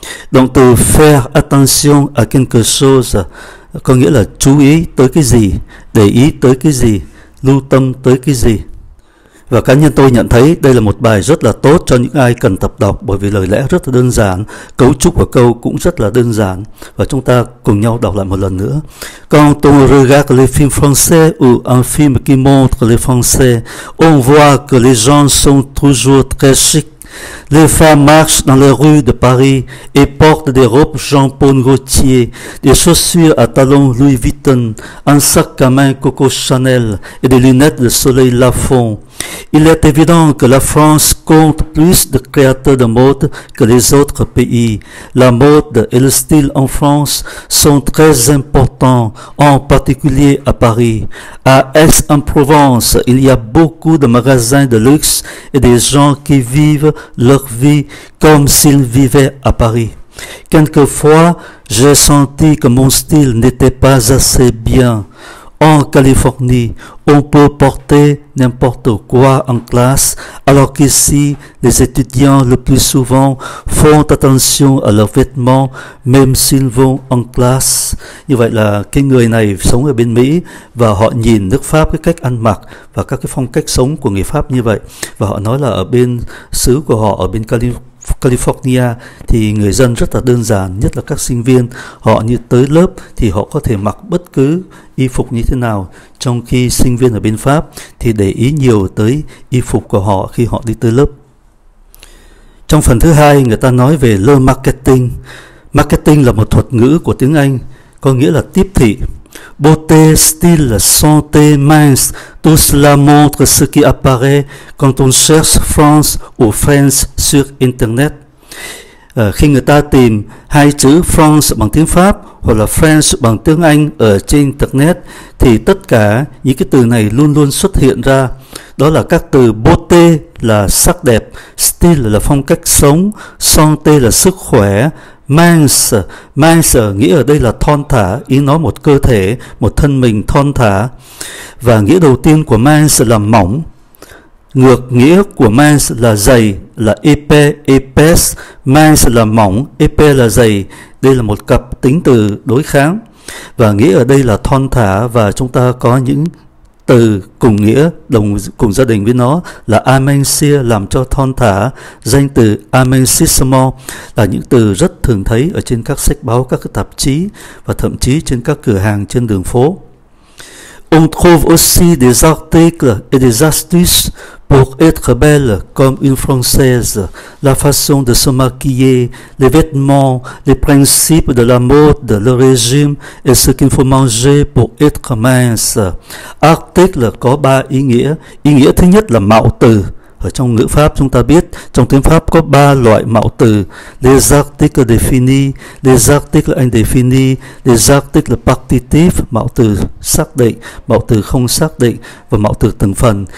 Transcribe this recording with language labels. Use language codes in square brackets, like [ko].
[vi] Động từ [fr] faire attention à quelque chose [vi] có nghĩa là chú ý tới cái gì, để ý tới cái gì, lưu tâm tới cái gì. Và cá nhân tôi nhận thấy đây là một bài rất là tốt cho những ai cần tập đọc, bởi vì lời lẽ rất là đơn giản, cấu trúc của câu cũng rất là đơn giản. Và chúng ta cùng nhau đọc lại một lần nữa. [fr] Quand on regarde les films français ou un film qui montre les français, on voit que les gens sont toujours très chics. Les femmes marchent dans les rues de Paris et portent des robes Jean-Paul Gaultier, des chaussures à talons Louis Vuitton, un sac à main Coco Chanel et des lunettes de soleil Lafon. Il est évident que la France compte plus de créateurs de mode que les autres pays. La mode et le style en France sont très importants, en particulier à Paris. À Aix-en-Provence, il y a beaucoup de magasins de luxe et des gens qui vivent leur vie comme s'ils vivaient à Paris. Quelquefois, j'ai senti que mon style n'était pas assez bien. En Californie, on peut porter n'importe quoi en classe, alors qu'ici, les étudiants le plus souvent font attention à leurs vêtements, même s'ils vont en classe. [vi] Như vậy là cái người này sống ở bên Mỹ và họ nhìn nước Pháp cái cách ăn mặc và các cái phong cách sống của người Pháp như vậy. Và họ nói là ở bên xứ của họ, ở bên California thì người dân rất là đơn giản, nhất là các sinh viên, họ như tới lớp thì họ có thể mặc bất cứ y phục như thế nào, trong khi sinh viên ở bên Pháp thì để ý nhiều tới y phục của họ khi họ đi tới lớp. Trong phần thứ hai, người ta nói về le marketing. Marketing là một thuật ngữ của tiếng Anh, có nghĩa là tiếp thị. [fr] Beauté, style, santé, mince, tout cela montre ce qui apparaît quand on cherche France ou France sur Internet. [vi] Khi người ta tìm hai chữ France bằng tiếng Pháp hoặc là France bằng tiếng Anh ở trên Internet thì tất cả những cái từ này luôn luôn xuất hiện ra. Đó là các từ beauté là sắc đẹp, style là phong cách sống, santé là sức khỏe, mince nghĩa ở đây là thon thả, ý nói một cơ thể, một thân mình thon thả. Và nghĩa đầu tiên của mince là mỏng. Ngược nghĩa của mince là dày, là épais. Mince là mỏng, épais là dày. Đây là một cặp tính từ đối kháng. Và nghĩa ở đây là thon thả và chúng ta có những từ cùng nghĩa, đồng cùng gia đình với nó là amensia làm cho thon thả, danh từ amensissement là những từ rất thường thấy ở trên các sách báo, các tạp chí và thậm chí trên các cửa hàng trên đường phố. [fr] On trouve aussi des articles et des astuces pour être belle comme une Française. La façon de se maquiller, les vêtements, les principes de la mode, le régime et ce qu'il faut manger pour être mince. [vi] Article có ba ý nghĩa. Ý nghĩa thứ nhất là mạo từ. Ở trong ngữ Pháp chúng ta biết, trong tiếng Pháp có ba loại mạo từ. [fr] Les articles définis, les articles indéfinis, les articles partitifs, [vi] mạo từ xác định, mạo từ không xác định và mạo từ từng phần.